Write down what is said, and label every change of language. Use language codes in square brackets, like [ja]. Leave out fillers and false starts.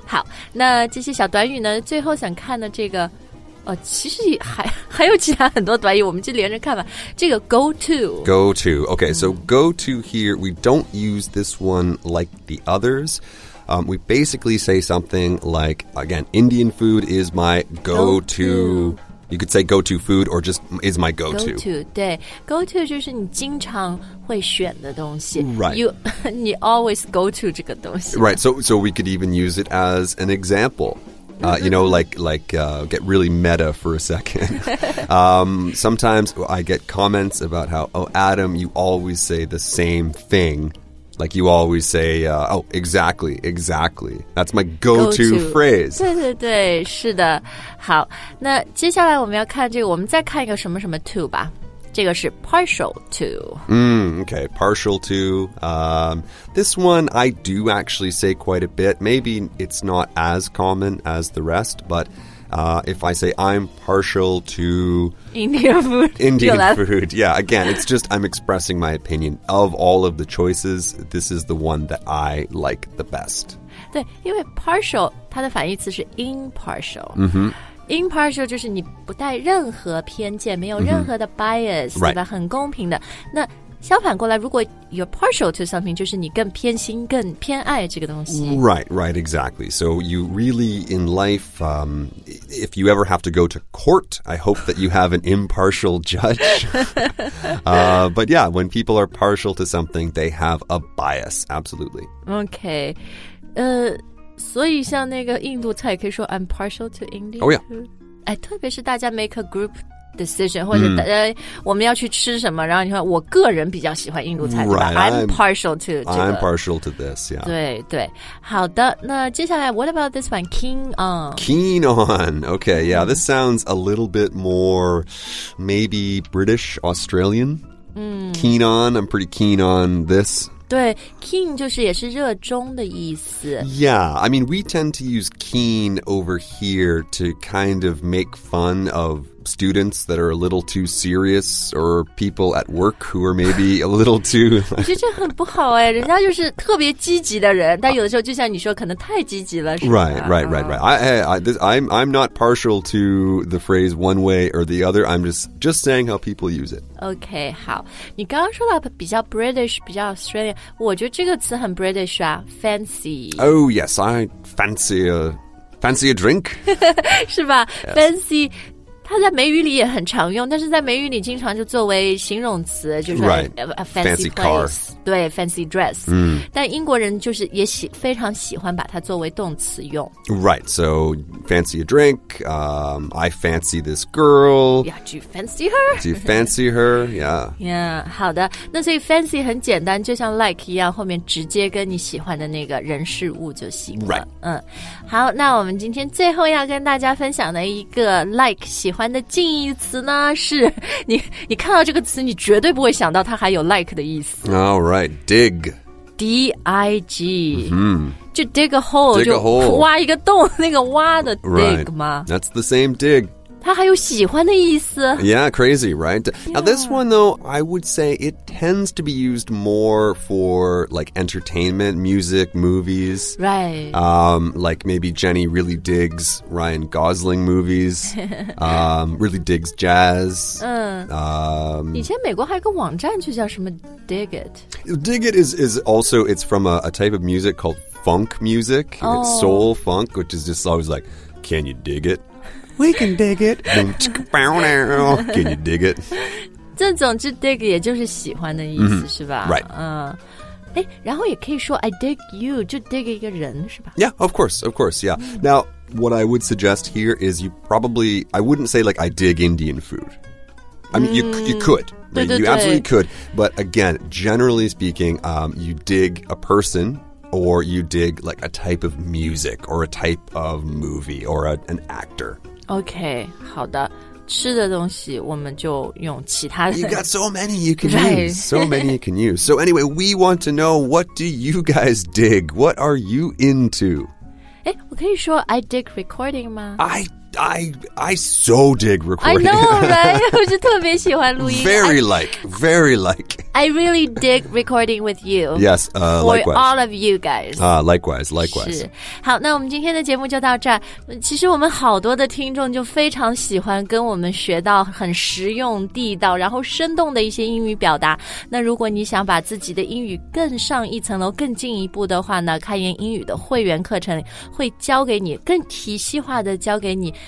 [zh] 好，那这些小短语呢，最后想看的这个。哦，其实还有其他很多短语，我们就连着看吧。这个 [en] go to。 Go to, okay, so go to here, we don't use this one like the others. We basically say something like, again, Indian food is my go-to. You could say go-to food or just is my go-to. Go to, 对。 [zh] Go to 就是你经常会选的东西。 [en] Right. You always go to [zh] 这个东西。 [en] Right, so we could even use it as an example. You know, like, get really meta for a second. Sometimes I get comments about how, oh, Adam, you always say the same thing. Like, you always say, exactly. That's my go-to phrase. [zh] 对对对，是的。好，那接下来我们要看这个，我们再看一个什么什么 to 吧。这个是 partial to. [en] Okay, partial to. This one I do actually say quite a bit. Maybe it's not as common as the rest, but if I say I'm partial to... Indian food. Indian food. Yeah, again, it's just I'm expressing my opinion. Of all of the choices, this is the one that I like the best. [zh] 对，因为 partial, 它的反义词是 impartial. Mm-hmm. Impartial 就是你不带任何偏见，没有任何的 bias,、mm-hmm. 对吧？ [en] Right. [zh] 很公平的。那相反过来，如果 [en] you're partial to something, [zh] 就是你更偏心、更偏爱这个东西。 [en] Right, right, exactly. So you really, in life, if you ever have to go to court, I hope that you have an impartial judge. but yeah, when people are partial to something, they have a bias, absolutely. Okay. [zh] 所以像那个印度菜可以说 [en] I'm partial to India. Oh, yeah. [zh] 哎，特别是大家 [en] make a group decision [zh] 或者大家、我们要去吃什么，然后你说我个人比较喜欢印度菜， [en] right, [zh] 对吧？ [en] I'm partial to、 [zh] 这个、 [en] I'm partial to this, yeah. [zh] 对对，好的，那接下来 [en] what about this one? Keen on. Keen on. Okay, yeah, this sounds a little bit more maybe British, Australian.、keen on, I'm pretty keen on this. [zh] 对 ,keen 就是也是热衷的意思。 [en] Yeah, I mean, we tend to use keen over here to kind of make fun of students that are a little too serious or people at work who are maybe a little too... [zh] 我觉得这很不好哎，人家就是特别积极的人，但有的时候就像你说，可能太积极了，是吧？ [en] Right, right, right, right. I'm not partial to the phrase one way or the other. I'm just saying how people use it. [zh] Okay, 好。你刚刚说到比较 British, 比较 Australian,我觉得这个词很 British 啊 fancy. [en] Oh yes, I fancy a drink. [zh] 是吧、yes. fancy 它在美语里也很常用，但是在美语里经常就作为形容词，就是 [en] right, a fancy car. [zh] 对 [en] fancy dress、 [zh] 但英国人就是也非常喜欢把它作为动词用。 [en] Right, so fancy a drink、I fancy this girl. Yeah, do you fancy her? Do you fancy her? Yeah. [zh] Yeah, 好的，那所以 fancy 很简单，就像 like 一样，后面直接跟你喜欢的那个人事物就行了。 [en] Right、 [zh] 好，那我们今天最后要跟大家分享的一个 like 喜欢的近义词呢，是 你看到这个词你绝对不会想到它还有 like 的意思。 [en] All right, dig. D-I-G、 mm-hmm. 就 dig a hole, dig a hole. [zh] 就挖一个洞，那个挖的 dig 吗、 [en] right. That's the same dig. [zh] 它还有喜欢的意思。 [en] Yeah, crazy, right? Now、yeah. this one though, I would say it tends to be used more for like entertainment, music, movies. Right、 like maybe Jenny really digs Ryan Gosling movies. 、really digs jazz. [zh] 以前美国还有个网站就叫什么 Dig It. [en] Dig It is also, it's from a type of music called funk music.、 Oh. It's soul funk, which is just always like, can you dig it? We can dig it. Can you dig it? [zh] 这总之 dig 也就是喜欢的意思、 mm-hmm. 是吧 [en] right、 [zh] 然后也可以说 I dig you 就 dig 一个人是吧 [en] yeah of course yeah、mm-hmm. Now what I would suggest here is you probably I wouldn't say like I dig Indian food I mean、mm-hmm. you could、 right? [zh] 对对对 [en] you absolutely could but again generally speaking、you dig a personOr you dig like a type of music or a type of movie or an actor. [zh] Okay, 好的，吃的东西我们就用其他的。 [en] You got so many you can、right. use. So many you can use. So anyway, we want to know what do you guys dig? What are you into? [zh] 诶，我可以说 [en] I dig recording [zh] 吗？ [en] I so dig recording. I know, right? [zh] 我就特别喜欢录音。 [en] Very like, very like. I really dig recording with you. Yes, for likewise. For all of you guys. Likewise, likewise. [zh] 好，那我们今天的节目就到这儿。其实我们好多的听众就非常喜欢跟我们学到很实用、地道，然后生动的一些英语表达。那如果你想把自己的英语更上一层楼、更进一步的话呢，开言英语的会员课程会教给你更体系化的教给你。